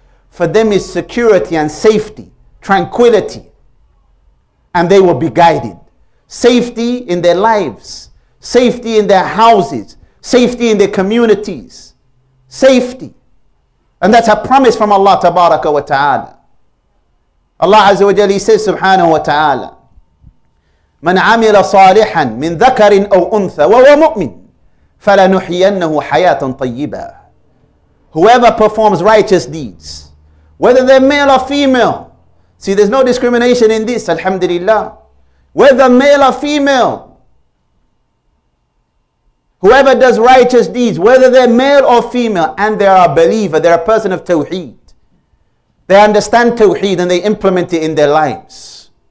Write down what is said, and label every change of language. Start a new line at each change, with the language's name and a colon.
English: For them is security and safety, tranquility, and they will be guided. Safety in their lives, safety in their houses, safety in their communities, safety. And that's a promise from Allah tabaraka wa ta'ala.
Arabic: Allah Azza wa Jalla,
English: he says
Arabic: subhanahu wa ta'ala, من عمل صالحا من ذكر أو أنثى وهو مؤمن فَلَنُحْيَنَّهُ حَيَاةً طَيِّبًا.
English: Whoever performs righteous deeds, whether they're male or female, see, there's no discrimination in this, alhamdulillah. Whether male or female, whoever does righteous deeds, whether they're male or female, and they are a believer, they're a person of tawheed, they understand tawheed and they implement it in their lives.